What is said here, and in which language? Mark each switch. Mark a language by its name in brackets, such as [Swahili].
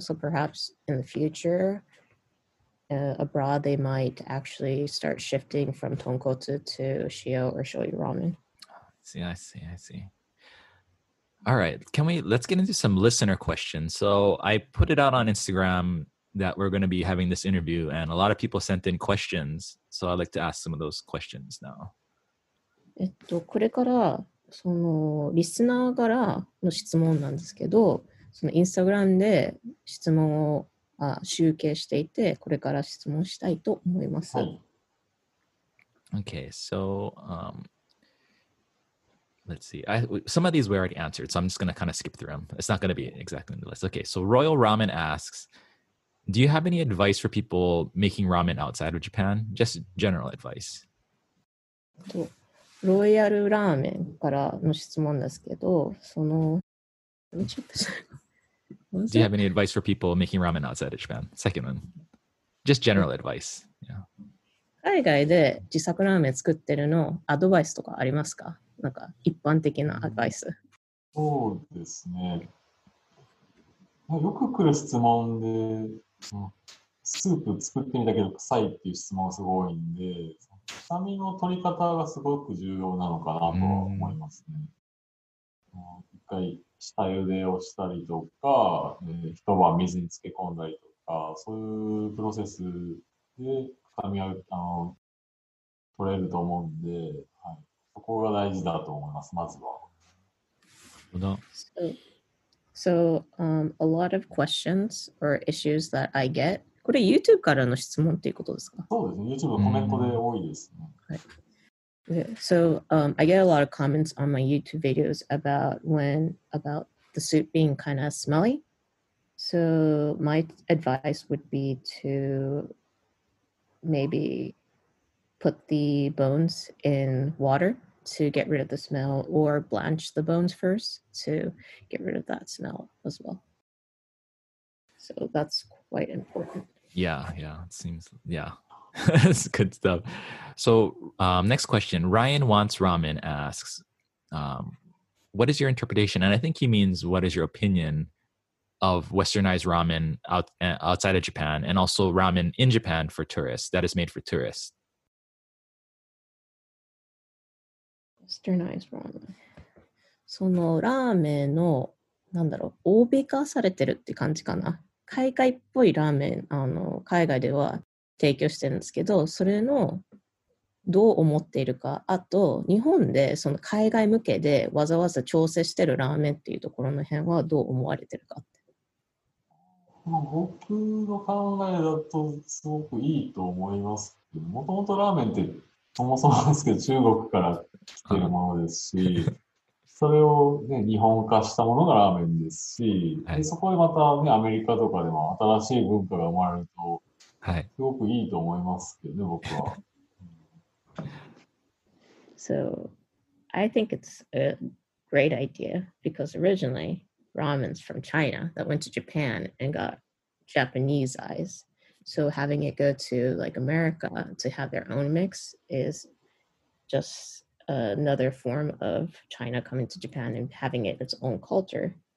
[English] So perhaps in the future, abroad, they might actually start shifting from tonkotsu to shio or shoyu ramen. see, I see, I see. All right, can we, let's get into some listener questions. So I put it out on Instagram that we're going to be having this interview, and a lot of people sent in questions. So I'd like to ask some of those questions now. [Japanese] これからそのリスナーからの質問なんですけど、そのインスタグラムで質問を集計していて、これから質問したいと思います。 [English] はい、okay, so, let's see. Some of these we already answered, so I'm just going to kind of skip through them. It's not going to be exactly in the list. Okay, so Royal Ramen asks, do you have any advice for people making ramen outside of Japan? Just general advice. [Japanese] ロイヤルラーメンからの質問ですけど、その、ちょっ [English] と、Do you have any advice for people making ramen outside of Japan? Second one. Just general advice. Yeah. [Japanese] 海外で自作ラーメン作ってるのアドバイスとかありますか？なんか一般的なアドバイス。そうですね。よく来る質問で、スープ作ってみたけど臭いっていう質問がすごいんで、臭みの取り方がすごく重要なのかなと思いますね。一回下茹でをしたりとか、一晩水につけ込んだりとか、そういうプロセスで臭みが取れると思うんで、はい、そこが大事だと思います、まずは。 [English] So, a lot of questions or issues that I get. [Japanese] これ YouTube からの質問っていうことですか？そうですね。YouTube のコメントで多いですね。 [English] Mm-hmm. Right. So, I get a lot of comments on my YouTube videos about the soup being kind of smelly. So, my advice would be to maybe put the bones in water. To get rid of the smell or blanch the bones first to get rid of that smell as well. So that's quite important. Yeah, it seems, yeah, it's good stuff. So next question, Ryan Wants Ramen asks, what is your interpretation? And I think he means, what is your opinion of westernized ramen outside of Japan and also ramen in Japan for tourists that is made for tourists? Westernized ramen. [Japanese] そのラーメンのなんだろう、欧米化されてるって感じかな。海外っぽいラーメン、海外では提供してるんですけど、それのどう思っているか、あと日本でその海外向けでわざわざ調整してるラーメンっていうところの辺はどう思われてるかって。僕の考えだとすごくいいと思います。もともとラーメンってそもそもですけど中国から来てるものですし、それを、ね、日本化したものがラーメンですし、はい、でそこでまた、ね、アメリカとかでも新しい文化が生まれると、はい、すごくいいと思いますけどね、僕は。 [English] So, I think it's a great idea because originally ramen's from China that went to Japan and got Japanese eyes. So having it go to like America to have their own mix is just another form of China coming to Japan and having it its own culture.